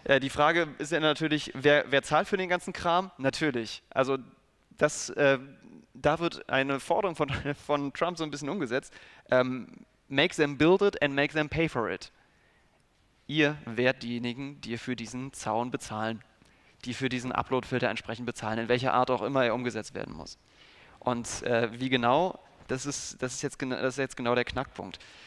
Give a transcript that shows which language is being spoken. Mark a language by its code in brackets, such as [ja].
[de] Die Frage ist ja natürlich, wer zahlt für den ganzen Kram? Natürlich. Also das. Da wird eine Forderung von Trump so ein bisschen umgesetzt. [en] Make them build it and make them pay for it. [de] Ihr werdet diejenigen, die für diesen Zaun bezahlen, die für diesen Upload-Filter entsprechend bezahlen, in welcher Art auch immer er umgesetzt werden muss. Und wie genau, das ist jetzt genau der Knackpunkt.